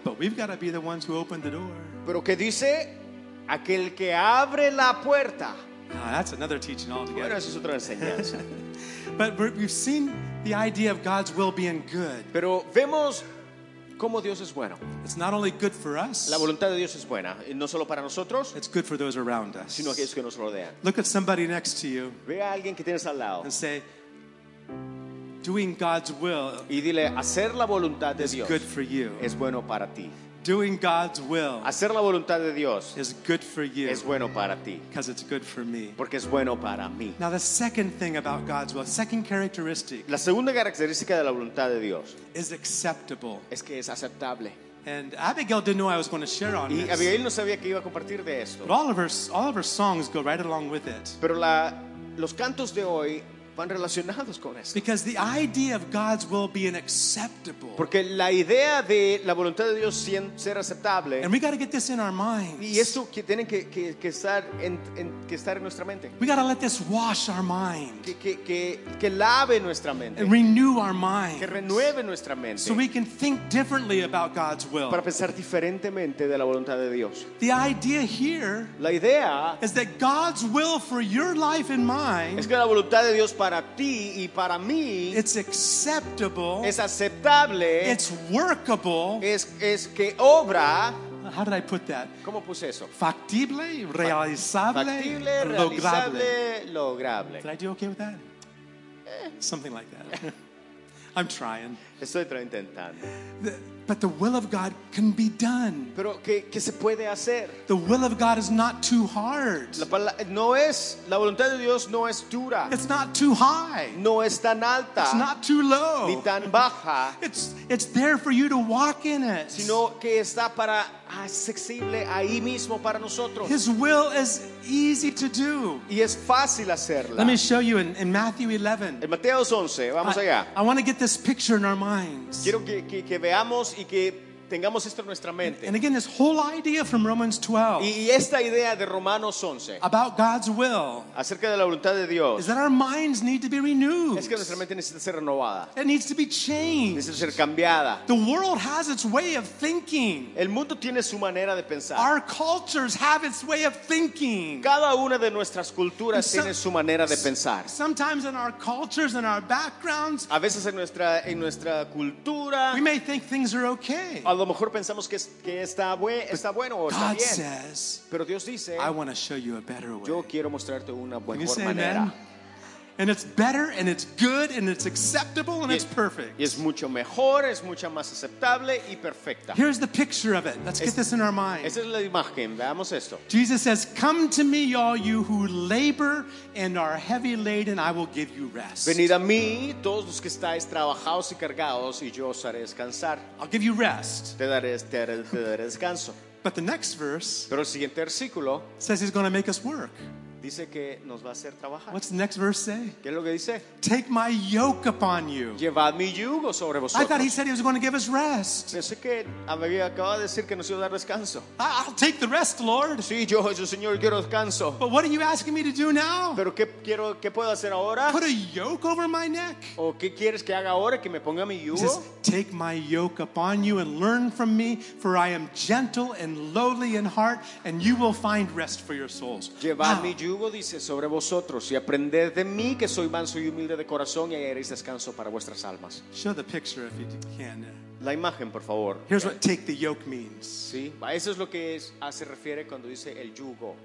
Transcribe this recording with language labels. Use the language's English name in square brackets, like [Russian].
[English] But we've got to be the ones who open the door. [Spanish] Pero qué dice. Aquel que abre la puerta. [English] Ah, that's another teaching altogether. [Spanish] Bueno, eso es otra enseñanza. [English] But we've seen the idea of God's will being good. [Spanish] Pero vemos cómo Dios es bueno. [English] It's not only good for us. [Spanish] La voluntad de Dios es buena, y no solo para nosotros. [English] It's good for those around us. [Spanish] Sino aquellos que nos rodean. [English] Look at somebody next to you. [Spanish] Ve a alguien que tienes al lado. [English] And say, doing God's will. [Spanish] Y dile, hacer la voluntad de Dios. [English] Is good for you. [Spanish] Es bueno para ti. [English] Doing God's will, [Spanish] hacer la voluntad de Dios, [English] is good for you. [Spanish] Es bueno para ti. [English] Because it's good for me. [Spanish] Porque es bueno para mí. [English] Now the second thing about God's will, second characteristic, [Spanish] la segunda característica de la voluntad de Dios, [English] is acceptable. [Spanish] Es que es aceptable. [English] And Abigail didn't know I was going to share on [Spanish] y [English] this. [Spanish] Abigail no sabía que iba a compartir de esto. [English] But all of her songs go right along with it. [Spanish] Pero los cantos de hoy van relacionados con esto. [English] Because the idea of God's will being acceptable. [Spanish] Porque la idea de la voluntad de Dios ser aceptable. [English] And we got to get this in our minds. [Spanish] Y esto que tienen que estar en nuestra mente. [English] We got to let this wash our mind. [Spanish] Que lave nuestra mente. [English] And renew our mind. [Spanish] Que renueve nuestra mente. [English] So we can think differently about God's will. [Spanish] Para pensar diferentemente de la voluntad de Dios. [English] The idea here. [Spanish] La idea [English] is that God's will for your life and mine. [Spanish] Es que la voluntad de Dios para ti y para mí, [English] it's acceptable, [Spanish] es aceptable, [English] it's workable, [Spanish] es que obra. [English] How did I put that? [Spanish] ¿Cómo puse eso? Factible, realizable, factible, lograble. Lograble. [English] Did I do okay with that? Something like that. I'm trying. [Spanish] Estoy intentando. [English] But the will of God can be done. [Spanish] Pero que se puede hacer. [English] The will of God is not too hard. [Spanish] La voluntad de Dios no es dura. [English] It's not too high. [Spanish] No es tan alta. [English] It's not too low. [Spanish] Ni tan baja. [English] It's there for you to walk in it. [Spanish] Sino que está para accesible ahí mismo para nosotros. [English] His will is easy to do. [Spanish] Y es fácil hacerla. [English] Let me show you in Matthew 11. [Spanish] En Mateo 11, vamos allá. [English] I want to get this picture in our minds. [Spanish] Quiero que veamos y que tengamos esto en nuestra mente. [English] And again, this whole idea from Romans 12. [Spanish] Y esta idea de Romanos 11. [English] About God's will. [Spanish] Acerca de la voluntad de Dios. [English] Is that our minds need to be renewed. [Spanish] Es que nuestra mente necesita ser renovada. [English] It needs to be changed. [Spanish] Necesita ser cambiada. [English] The world has its way of thinking. [Spanish] El mundo tiene su manera de pensar. [English] Our cultures have its way of thinking. [Spanish] Cada una de nuestras culturas tiene su manera de pensar. [English] Sometimes in our cultures and our backgrounds. [Spanish] A veces en nuestra cultura. [English] We may think things are okay. [Spanish] A lo mejor pensamos que está bueno o está bien. [English] Says, [Spanish] pero Dios dice, [English] I want to show you a better way. [Spanish] Yo quiero mostrarte una [English] Can [Spanish] mejor manera. [English] Amen? And it's better and it's good and it's acceptable and it's perfect. [Spanish] Y es mucho mejor, es mucho más aceptable y perfecta. [English] Here's the picture of it. Let's get this in our mind. [Spanish] Esa es la imagen. Veamos esto. [English] Jesus says, "Come to me, all you who labor and are heavy laden, I will give you rest." [Spanish] Venid a mí, todos los que estáis trabajados y cargados, y yo os haré descansar. [English] I'll give you rest. [Spanish] Te daré descanso. [English] But the next verse. [Spanish] Pero el siguiente versículo [English] says he's going to make us work. [Spanish] Dice que nos va a hacer trabajar. [English] What's the next verse say? [Spanish] ¿Qué es lo que dice? [English] Take my yoke upon you. [Spanish] Llevad mi yugo sobre vosotros. [English] I thought he said he was going to give us rest. [Spanish] Pensé que había acabado de decir que nos iba a dar descanso. [English] I'll take the rest, Lord. [Spanish] Sí, yo, Señor, quiero descanso. [English] But what are you asking me to do now? [Spanish] ¿Pero qué puedo hacer ahora? [English] Put a yoke over my neck. [Spanish] ¿O qué quieres que haga ahora, que me ponga mi yugo? [English] He says, take my yoke upon you and learn from me, for I am gentle and lowly in heart, and you will find rest for your souls. [Spanish] Llevad mi yugo. Yugo dice sobre vosotros y aprended de mí que soy manso y humilde de corazón y hallaréis descanso para vuestras almas. [English] Show the picture if you can. [Spanish] La imagen, por favor. [English] Here's what take the yoke means. [Spanish] Sí, eso es lo que se refiere cuando dice el yugo.